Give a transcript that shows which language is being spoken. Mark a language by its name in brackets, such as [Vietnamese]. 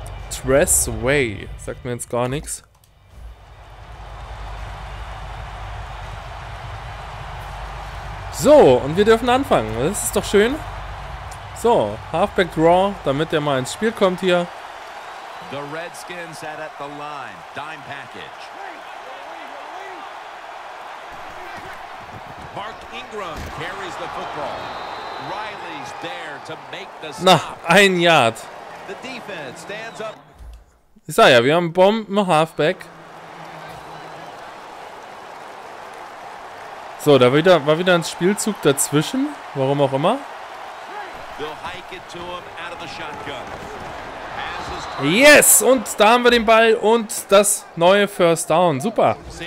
[German] Tress Way sagt mir jetzt gar nichts. So, und wir dürfen anfangen. Das ist doch schön. So, Halfback Draw, damit der mal ins Spiel kommt hier. [English] The Redskins had at the line. Dime package. Mark Ingram carries the football. Riley's there to make the stop. [German] Na, ein Yard. [English] The defense stands up. [German] Ich sag ja, wir haben Bomben Halfback. So, da war wieder ein Spielzug dazwischen. Warum auch immer. [English] They'll hike it to him out of the shotgun. Yes! [German] Und da haben wir den Ball und das neue First Down. Super!